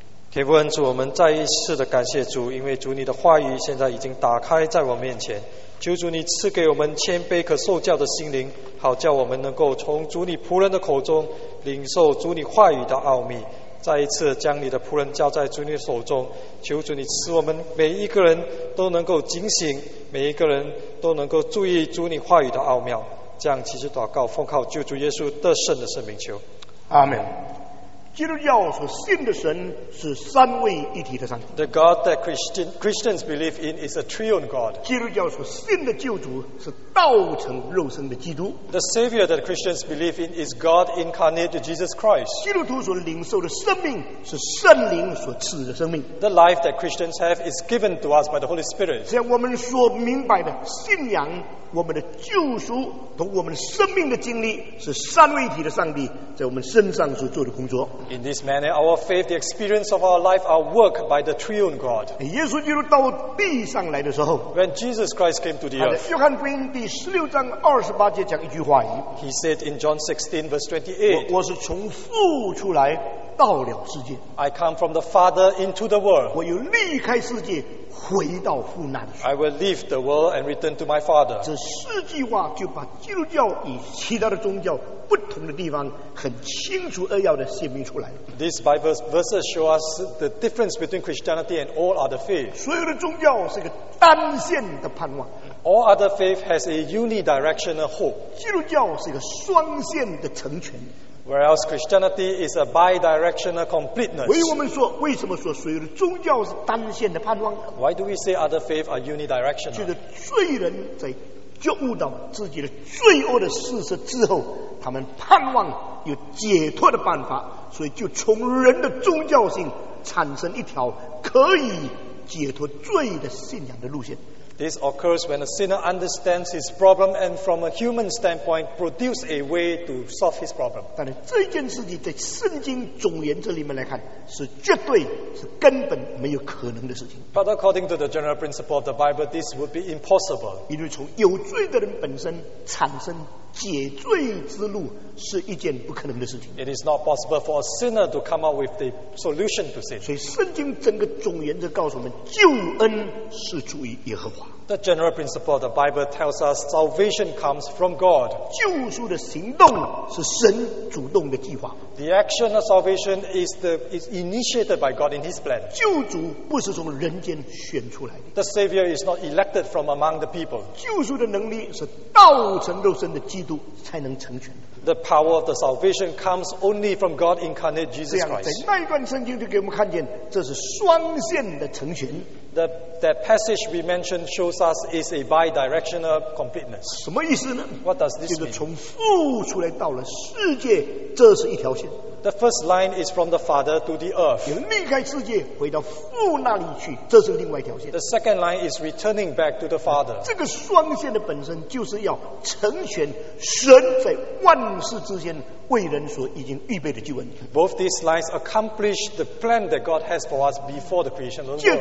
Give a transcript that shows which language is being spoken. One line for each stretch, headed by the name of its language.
Chinese: 天父恩主，我们再一次的感谢主，因为主你的话语现在已经打开在我面前，求主你赐给我们谦卑可受教的心灵，好叫我们能够从主你仆人的口中领受主你话语的奥秘，再一次将你的仆人交在主你的手中，求主你赐我们每一个人都能够警醒，每一个人都能够注意主你话语的奥妙，这样祈求祷告奉靠救主耶稣得胜的圣名求，阿们。基督教所信的神是三位一体的上帝。
English: The God that Christians believe in is a triune God.
Chinese: 基督教所信的救主是道成肉身的基督。
English: The Savior that Christians believe in is God incarnate, Jesus Christ.
Chinese: 基督徒所领受的生命是圣灵所赐的生命。
English: The life that Christians have is given to us by the Holy Spirit.
Chinese: 这样我们所明白的信仰，我们的救赎和我们生命的经历，是三位一体的上帝在我们身上所做的工作。
English: In this manner, our faith, the experience of our life, are worked by the triune God.
Chinese: 耶稣基督到地上来的时候，
English: When Jesus Christ came to the earth,
Chinese: 约翰福音第十六章二十八节讲一句话语。
English: He said in John 16 verse 28,
Chinese: 我是从父出来到了世界。
English: I come from the Father into the world.
Chinese: 我又离开世界回到父那里。
English: I will leave the world and return to my Father.
Chinese: 这四句话就把基督教与其他的宗教不同的地方很清楚扼要的写明出来。
English: These Bible verses show us the difference between Christianity and all other faith.
Chinese: 所有的宗教是一个单线的盼望。
English: All other faith has a unidirectional hope.
Chinese: 基督教是一个双线的成全。
English: Whereas Christianity is a bi-directional completeness.
Chinese: 为我们说，为什么说所有的宗教是单线的盼望？
English: Why do we say other faith are unidirectional?
Chinese: 就是罪人在觉悟到自己的罪恶的事实之后，他们盼望有解脱的办法，所以就从人的宗教性产生一条可以解脱罪的信仰的路线。
English: This occurs when a sinner understands his problem and from a human standpoint produce a way to solve his problem.
Chinese: 但是这件事情在圣经总言这里面来看，是绝对是根本没有可能的事情。
English: But according to the general principle of the Bible, this would be impossible.
Chinese: 因为从有罪的人本身产生解罪之路是一件不可能的事情。
English: It is not possible for a sinner to come up with the solution to sin.
Chinese: 所以圣经整个总原则告诉我们，救恩是出于耶和华。
English: The general principle of the Bible tells us salvation comes from God.
Chinese: 救赎的行动是神主动的计划。
English: The action of salvation is initiated by God in His plan.
Chinese: 救主不是从人间选出来的。
English: The Savior is not elected from among the people.
Chinese: 救赎的能力是道成肉身的基督才能成全的。
English: The power of the salvation comes only from God incarnate Jesus Christ.
Chinese: 这样，在那一段圣经就给我们看见，这是双线的成全。
English: that passage we mentioned shows us is a bi-directional completeness.
Chinese: 什么意思呢?
English: What does this mean?
Chinese: 就是从父出来到了世界, 这是一条线。
English: The first line is from the Father to the earth.
Chinese: 离开世界回到父那里去, 这是另外一条线。
English: The second line is returning back to the Father.
Chinese: 这个双线的本身就是要成全神在万事之间 为人所已经预备的救恩,
English: both these lines accomplish the plan that God has for us before the creation of the world.